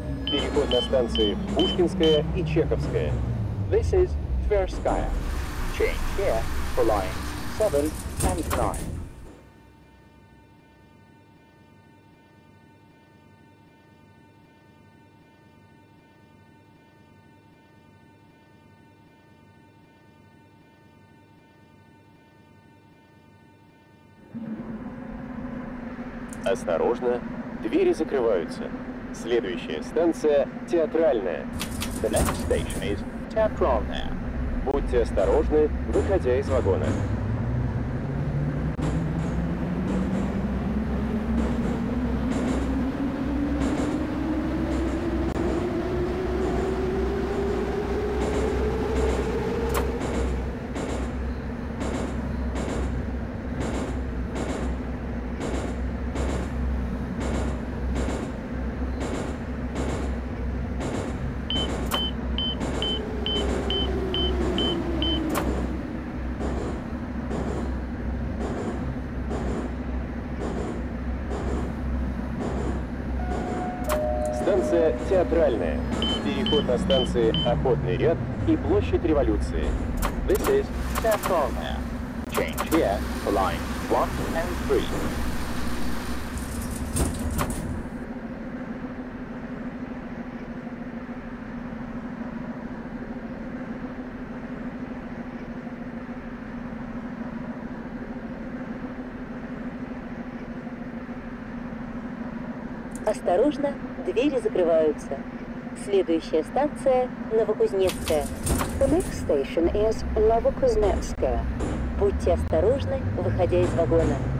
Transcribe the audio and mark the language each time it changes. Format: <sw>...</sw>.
<ru>Переход на станции Пушкинская и Чеховская.</ru> <en>This is Тверская. Change here for lines 7 and 9.</en> <ru>Осторожно, двери закрываются. Следующая станция – Театральная.</ru> <en>The next station is Театральная.</en> <ru>Будьте осторожны, выходя из вагона. Театральная. Переход на станции Охотный ряд и Площадь Революции.</ru> <en>This is Театральная. Change here for lines 1 and 3.</en> <ru>Осторожно. Двери закрываются. Следующая станция – Новокузнецкая.</ru> <en>The next station is Новокузнецкая.</en> <ru>Будьте осторожны, выходя из вагона.</ru>